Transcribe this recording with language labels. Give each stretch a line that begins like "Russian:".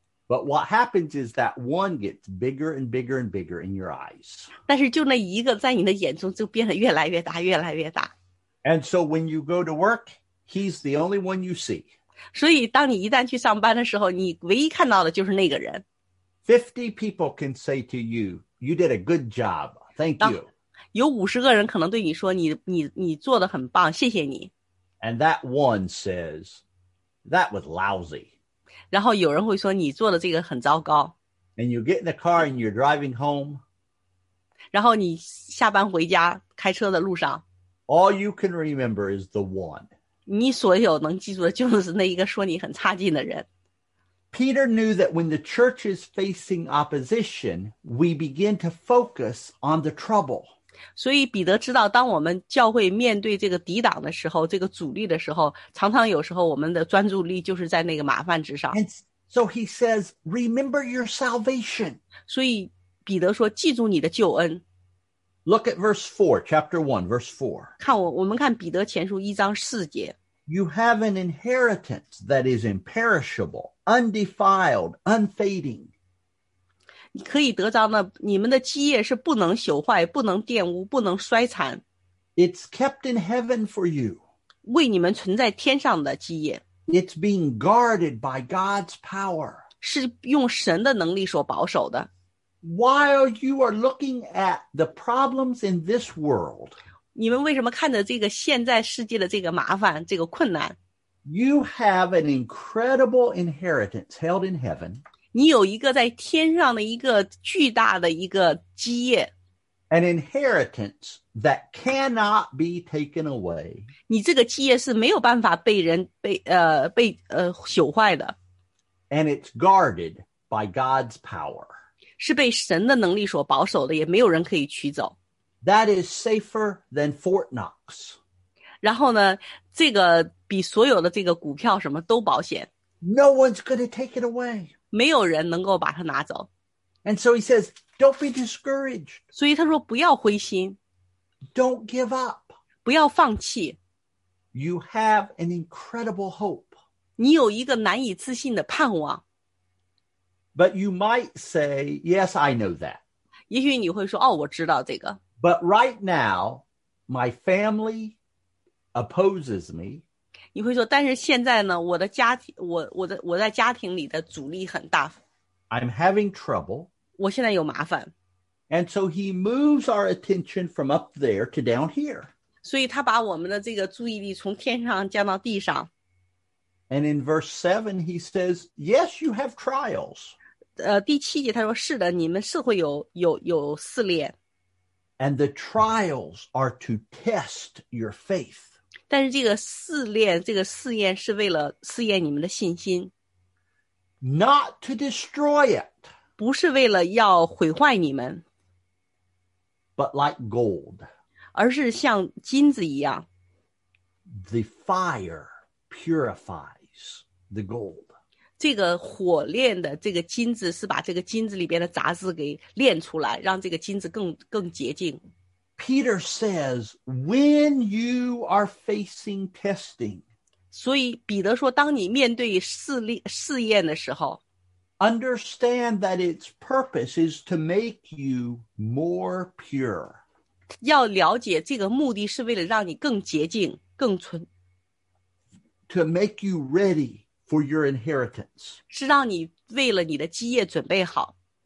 English: But what happens is that one gets bigger and bigger and bigger in your eyes.
Chinese: 但是就那一个在你的眼中就变得越来越大越来越大。
English: And so when you go to work, he's the only one you see.
Chinese: 所以当你一旦去上班的时候你唯一看到的就是那个人。
English: 50 people can say to you, you did a good job, thank you.
Chinese: 有50个人可能对你说你做得很棒谢谢你。
English: And that one says, that was lousy.
Chinese: 然后有人会说你做的这个很糟糕。
English: And you get in the car and you're driving home.
Chinese: 然后你下班回家开车的路上。
English: All you can remember is the one.
Chinese: 你所有能记住的就是那一个说你很差劲的人。
English: Peter knew that when the church is facing opposition, we begin to focus on the trouble.
Chinese: 所以彼得知道当我们教会面对这个抵挡的时候这个阻力的时候常常有时候我们的专注力就是在那个麻烦之上。
English: And so he says, remember your salvation.
Chinese: 所以彼得说记住你的救恩。
English: Look at verse 4, chapter 1, verse 4.
Chinese: 我们看彼得前书一章四节。
English: You have an inheritance that is imperishable, undefiled, unfading.
Chinese: 你可以得着呢，你们的基业是不能朽坏，不能玷污，不能衰残。
English: It's kept in heaven for you.
Chinese: 为你们存在天上的基业。
English: It's being guarded by God's power.
Chinese: 是用神的能力所保守的。
English: While you are looking at the problems in this world,
Chinese: 你们为什么看着这个现在世界的这个麻烦这个困难
English: You have an incredible inheritance held in heaven.
Chinese: 你有一个在天上的一个巨大的一个基业。
English: An inheritance that cannot be taken away.
Chinese: 你这个基业是没有办法被人朽坏的。
English: And it's guarded by God's power.
Chinese: 是被神的能力所保守的也没有人可以取走。
English: That is safer than Fort Knox.
Chinese: 然后呢，这个比所有的这个股票什么都保险。
English: No one's going to take it away.
Chinese: 没有人能够把它拿走。
English: And so he says, don't be discouraged.
Chinese: 所以他说不要灰心。
English: Don't give up.
Chinese: 不要放弃。
English: You have an incredible hope.
Chinese: 你有一个难以置信的盼望。
English: But you might say, yes, I know that.
Chinese: 也许你会说，哦，我知道这个。
English: But right now, my family opposes me.
Chinese: 你会说，但是现在呢，我的家庭，我在家庭里的阻力很大。
English: I'm having trouble.
Chinese: 我现在有麻烦。
English: And so he moves our attention from up there to down here.
Chinese: 所以他把我们的这个注意力从天上降到地上。
English: And in verse 7, he says, yes, you have trials.
Chinese: 第七节他说，是的，你们是会有试炼。
English: And the trials are to test your faith.
Chinese: 但是这个试验是为了试验你们的信心。
English: Not to destroy it.
Chinese: 不是为了要毁坏你们。
English: But like gold.
Chinese: 而是像金子一样。
English: The fire purifies the gold.
Chinese: 这个火炼的这个金子是把这个金子里边的杂质给炼出来，让这个金子更洁净。
English: Peter says, when you are facing testing,
Chinese: 所以彼得说，当你面对试验的时候，
English: understand that its purpose is to make you more pure.
Chinese: 要了解这个目的是为了让你更洁净，更纯。
English: To make you ready for your inheritance.
Chinese: 是让你为了你的基业准备好。